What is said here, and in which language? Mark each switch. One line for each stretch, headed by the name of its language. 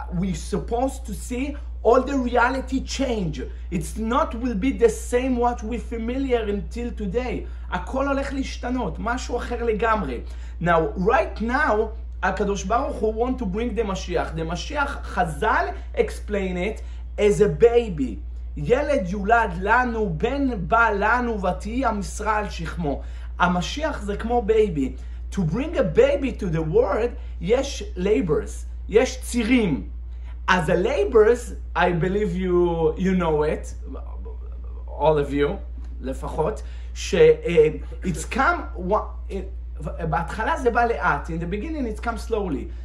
English: We're supposed to see all the reality change. It's not will be the same what we're familiar until today.
Hebrew: Hakol olech lishtanot, mashu acher legamre.
English: Now, right now, HaKadosh Baruch Hu want to bring the Mashiach. The Mashiach, Chazal explain it as a baby.
Hebrew: ילד יולד לנו, בן בא לנו ותהי המשרה על שכמו. המשיח זה כמו
English: baby. To bring a baby to the world, יש labors,
Hebrew: יש צירים.
English: As a labors, I believe you know it, all of you, לפחות, it's come,
Hebrew: בהתחלה זה בא לאט,
English: in the beginning it's come slowly.